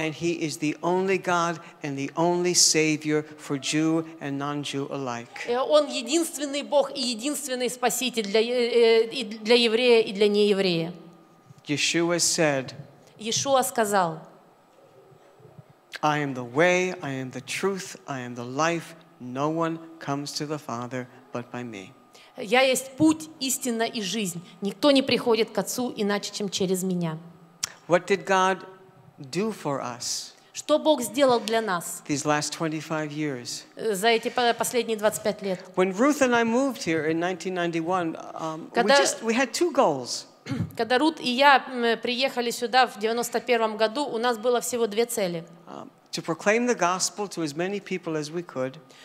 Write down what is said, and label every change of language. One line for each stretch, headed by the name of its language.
English: And he is the only God and the only Savior for Jew and non-Jew alike.
Russian: Он единственный Бог и единственный спаситель для еврея и для нееврея.
English: Yeshua said.
Russian: Иешуа сказал.
English: I am the way, I am the truth, I am the life. No one comes to the Father but by me.
Russian: Я есть путь, истина и жизнь. Никто не приходит к Отцу иначе, чем через меня.
English: What did God do for us?
Russian: Что Бог сделал для нас?
English: These last 25 years.
Russian: За эти последние 25 лет.
English: When Ruth and I moved here in 1991, we had two goals.
Russian: Когда Рут и я приехали сюда в 91-м году, у нас было всего две цели.
English: To proclaim the gospel to as many people as we could.